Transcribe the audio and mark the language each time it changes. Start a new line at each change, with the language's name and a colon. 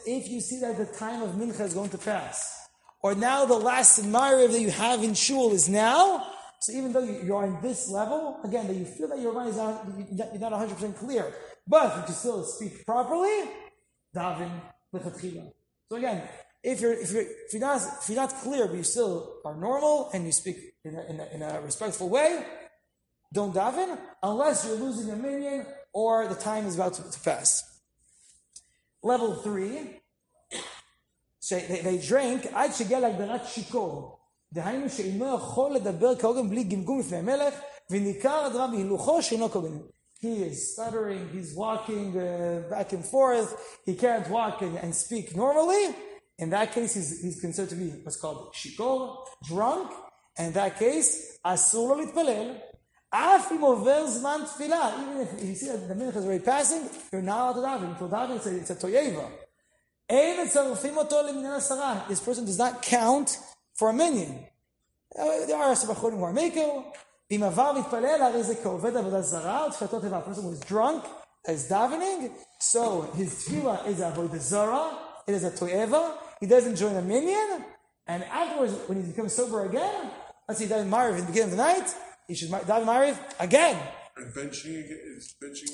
English: If you see that the time of mincha is going to pass, or now the last ma'ariv that you have in shul is now, so even though you're on this level, again, that you feel that your mind is not 100% clear, but you can still speak properly, daven lechatchila. So again, if you're not clear, but you still are normal and you speak in a respectful way, don't daven unless you're losing a minyan or the time is about to pass. Level 3, they drink,
Hebrew: עד שגיע להגדרת שיקור. דהיינו שאינו יכול לדבר כהוגן בלי גמגום לפני המלך, וניכר הדבר בהילוכו שאינו כהוגן.
English: He is stuttering, he's walking back and forth, he can't walk and speak normally. In that case, he's considered to be what's called שיקור, drunk. And in that case,
Hebrew: אסור לו להתפלל, אף אם עובר זמן תפילה,
English: even if you see that the minute is already passing, you're not allowed to daven. To daven, it's a toyeva.
Hebrew: אין מצרפים אותו למניין עשרה.
English: This person does not count for a minion. There are some בחורים who are maker.
Hebrew: אם עבר מתפלל, הרי זה כעובד עבודה זרה, או תפילתו תיבה.
English: A person who is drunk, is davening, so his tefillah is avodah zarah, it is a toyeva, he doesn't join a minion, and afterwards, when he becomes sober again, let's see, that in Maariv, in the beginning of the night, he should daven Maariv again. And benching again, is benching